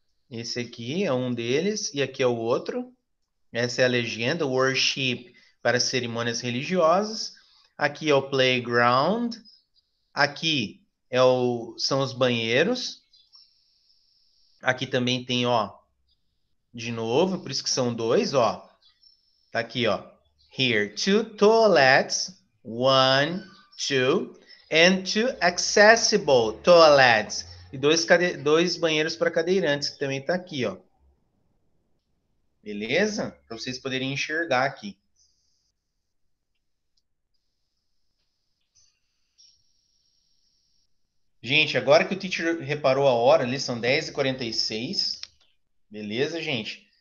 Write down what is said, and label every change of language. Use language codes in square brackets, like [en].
[pt] Esse aqui é um deles e aqui é o outro. Essa é a legenda, worship, para cerimônias religiosas. Aqui é o playground. Aqui é o, são os banheiros. Aqui também tem, ó, de novo, por isso que são dois, ó. Tá aqui, ó. [en] Here, two toilets, one, two, and two accessible toilets. [pt] E dois banheiros para cadeirantes, que também está aqui, ó. Beleza? Para vocês poderem enxergar aqui. Gente, agora que o teacher reparou a hora, ali são 10h46. Beleza, gente?